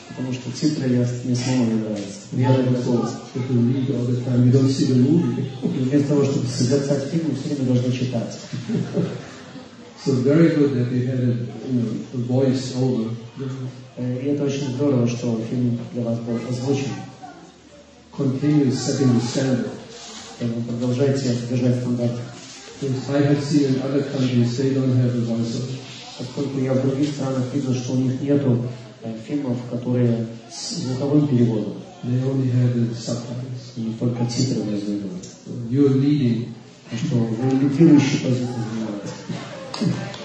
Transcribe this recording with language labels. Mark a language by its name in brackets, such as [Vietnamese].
[Russian] Потому что титры я не смогу нравиться. Я не могу. Потому что [English] you don't see the movie. [Russian] Вместо того чтобы созерцать фильм, все время должны читать. [English] So very good that you had a, you know, a voice over. [Russian] И это очень здорово, что фильм для вас был озвучен. [English] Continue setting the standard. [Russian] Продолжайте держать стандарт. [English] Because I have seen in other countries they don't have a voiceover. [Russian] Поскольку я в других странах вижу, что у них нету фильмов, которые с звуковым переводом. [English] They only have the subtitles. [Russian] У них только титры на языке. [English] You're leading. [Russian] А что, вы лидирующий позицию занимаете.